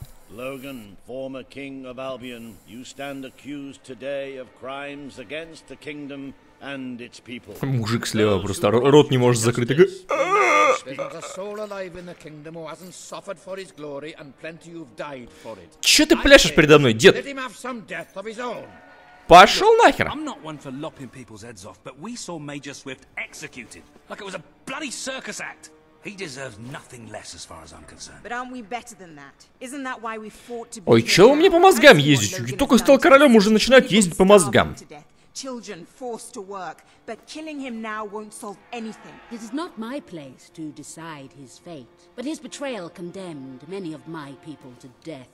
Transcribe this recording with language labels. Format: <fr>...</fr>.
<en>Logan, former king of Albion, you stand accused today of crimes against the kingdom and its people.</en> <ru>Мужик слева просто рот не может закрыть.</ru> <en>There's a soul alive in the kingdom who hasn't suffered for his glory and plenty who've died for it.</en> <ru>Чё ты пляшешь передо мной, дед?</ru> <en>Let him have some death of his own.</en> <ru>Пошёл нахер.</ru> <en>I'm not one for lopping people's heads off, but we saw Major Swift executed like it was a bloody circus act. He deserves nothing less, as far as I'm concerned. But aren't we better than that? Isn't that why we fought to be?</en> <ru>Ой, чё у меня по мозгам ездить? Только стал королем, уже начинает ездить по мозгам.</ru> <en>Children forced to work, but killing him now won't solve anything. It is not my place to decide his fate, but his betrayal condemned many of my people to death.</en>